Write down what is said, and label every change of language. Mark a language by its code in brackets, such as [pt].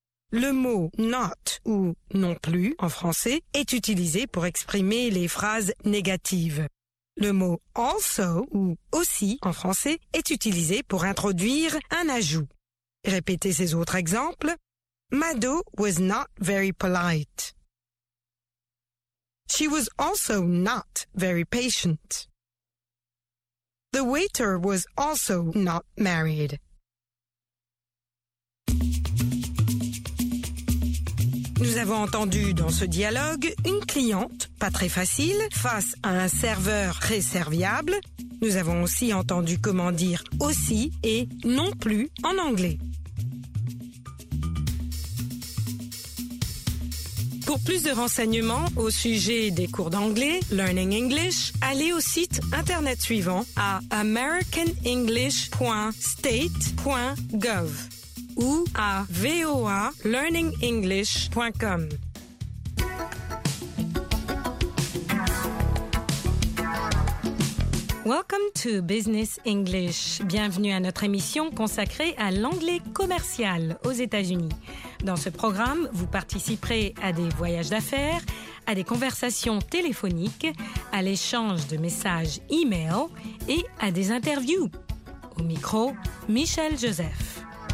[fr] Le mot not ou non plus en français est utilisé pour exprimer les phrases négatives. Le mot also ou aussi en français est utilisé pour introduire un ajout. Répétez ces autres exemples. [en] Mado was not very polite. She was also not very patient. The waiter was also not married. [fr] Nous avons entendu dans ce dialogue une cliente, pas très facile, face à un serveur très serviable. Nous avons aussi entendu comment dire « aussi » et « non plus » en anglais. Pour plus de renseignements au sujet des cours d'anglais, Learning English, allez au site internet suivant à americanenglish.state.gov ou à voalearningenglish.com. [en] Welcome to Business English. [fr] Bienvenue à notre émission consacrée à l'anglais commercial aux États-Unis. Dans ce programme, vous participerez à des voyages d'affaires, à des conversations téléphoniques, à l'échange de messages e-mail et à des interviews. Au micro, Michel Joseph.